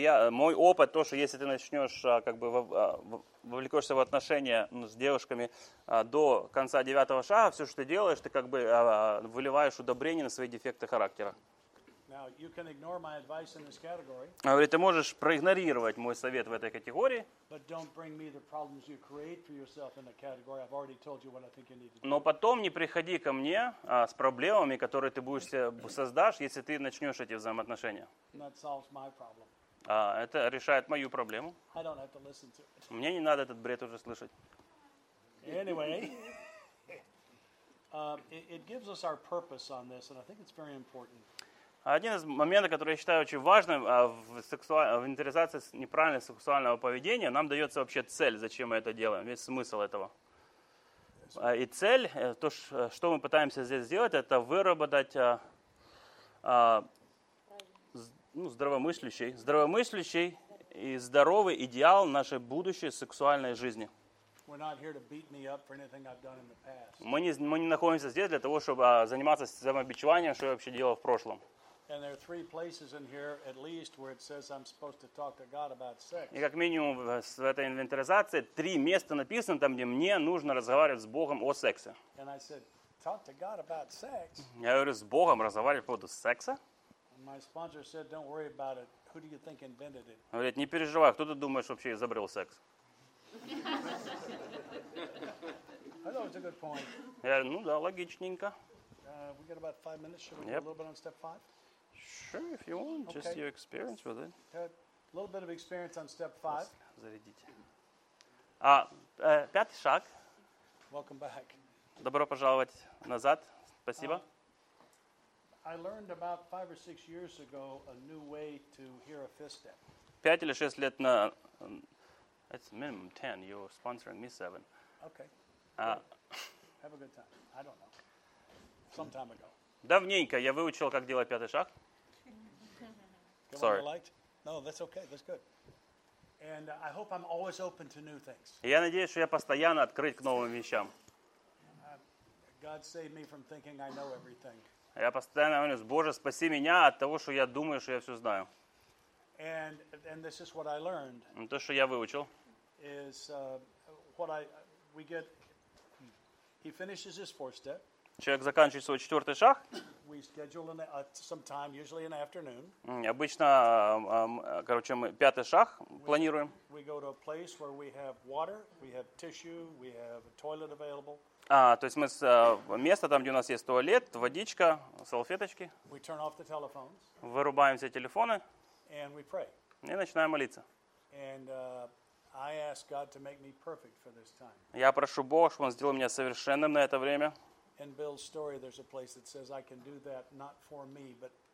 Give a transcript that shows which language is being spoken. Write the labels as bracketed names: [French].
[Russian] Мой опыт то, что если ты начнешь вовлекаешься в отношения с девушками до конца 9-го шага, все, что ты делаешь, ты как бы выливаешь удобрение на свои дефекты характера. [English] Now, you can ignore my advice in this category. [Russian] Говорит, ты можешь проигнорировать мой совет в этой категории. [English] But don't bring me the problems you create for yourself in the category. I've already told you what I think you need to do. [Russian] Но потом не приходи ко мне с проблемами, которые ты создашь, если ты начнешь эти взаимоотношения. [English] That solves my problem. [Russian] Это решает мою проблему. [English] I don't have to listen to it. [Russian] Мне не надо этот бред уже слышать. [English] Anyway. It gives us our purpose on this, and I think it's very important. [Russian] Один из моментов, который я считаю очень важным в интеризации неправильного сексуального поведения, нам дается вообще цель, зачем мы это делаем, весь смысл этого. И цель, то, что мы пытаемся здесь сделать, это выработать здравомыслящий и здоровый идеал нашей будущей сексуальной жизни. Мы не находимся здесь для того, чтобы заниматься самобичеванием, что я вообще делал в прошлом. [English] And there are three places in here, at least, where it says I'm supposed to talk to God about sex. [Russian] И как минимум в этой инвентаризации три места написано там, где мне нужно разговаривать с Богом о сексе. [English] And I said, talk to God about sex. [Russian] Я говорю, с Богом разговаривать по поводу секса? [English] And my sponsor said, don't worry about it. Who do you think invented it? [Russian] Говорит, не переживай, кто ты думаешь вообще изобрел секс? [English] I thought it was a good point. [Russian] Я говорю, ну да, логичненько. [English] We got about 5 minutes. Should we go a little bit on step 5? Sure, if you want, just your experience with it. A little bit of experience on step 5. [Russian] Зарядите. Пятый шаг. [English] Welcome back. [Russian] Добро пожаловать назад. Спасибо. [English] I learned about 5 or 6 years ago a new way to hear a fifth step. [Russian] 5 или 6 лет на. [English] It's minimum 10. You're sponsoring me 7. Okay. Have a good time. I don't know. Some time ago. [Russian] Давненько я выучил, как делать пятый шаг. [English] Sorry. No, that's okay. That's good. And I hope I'm always open to new things. [Russian] Я надеюсь, что я постоянно открыт к новым вещам. [English] God save me from thinking I know everything. [Russian] Я постоянно говорю, Боже, спаси меня от того, что я думаю, что я все знаю. [English] And this is what I learned. [Russian] То, что я выучил. [English] Is what I we get. He finishes his fourth step. [Russian] Человек заканчивает свой четвертый шаг. [English] We schedule some time, usually in the afternoon. [Russian] Обычно, короче, мы пятый шаг планируем. [English] We go to a place where we have water, we have tissue, we have a toilet available. [Russian] То есть мы с места там, где у нас есть туалет, водичка, салфеточки. [English] We turn off the telephones. [Russian] Вырубаем все телефоны. [English] And we pray. [Russian] И начинаем молиться. [English] And I ask God to make me perfect for this time. [Russian] Я прошу Бога, чтобы Он сделал меня совершенным на это время. [English] In Bill's story, there's a place that says I can do that not for me, but